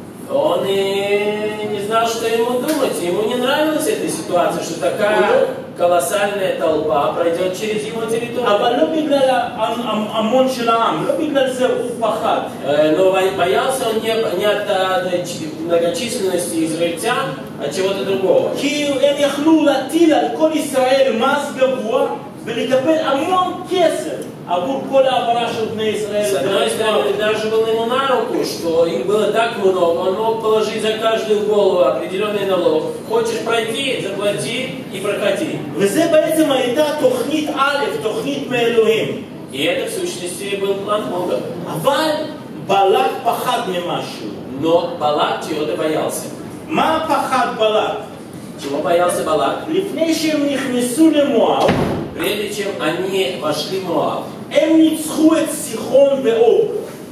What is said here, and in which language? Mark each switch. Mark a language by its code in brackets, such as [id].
[ru] Он и не знал, что ему думать. Ему не нравилась эта ситуация, что такая колоссальная толпа пройдет через его территорию. Но боялся он не от многочисленности израильтян, а чего-то другого. [he] ולקבל המון כסף עבור כל העברה של בני ישראל. [ru] даже было ему на руку, что их было так много, он мог положить за каждую голову определенный налог. Хочешь пройти, заплати и проходи. [he] וזה בעצם הייתה תוכנית א', תוכנית מאלוהים. [ru] И это в сущности был план Бога. [he] אבל בלק פחד ממשהו. [ru] Но Балак чего-то боялся. [he] מה פחד בלק? [ru] Чего боялся Балак? [he] לפני שהם נכנסו למואב. [ru] Прежде чем они вошли в Моав, [he] эм ницхует Сихон ве Ог.